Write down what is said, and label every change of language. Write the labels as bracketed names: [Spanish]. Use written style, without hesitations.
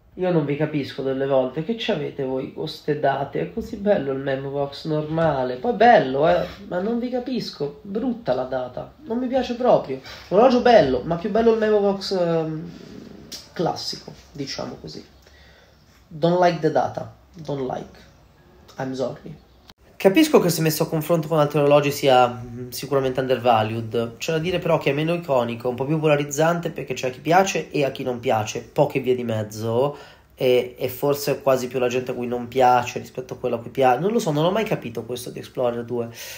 [Italian] Io non vi capisco delle volte, che ci avete voi con queste date? È così bello il Memovox normale, poi bello, ma non vi capisco, brutta la data, non mi piace proprio. Orologio bello, ma più bello il Memovox classico, diciamo così. [English] Don't like the data, don't like, I'm sorry. [Italian] Capisco che se messo a confronto con altri orologi sia sicuramente undervalued, c'è da dire però che è meno iconico, un po' più polarizzante perché c'è a chi piace e a chi non piace, poche vie di mezzo, e forse quasi più la gente a cui non piace rispetto a quella a cui piace, non lo so, non ho mai capito questo di Explorer 2.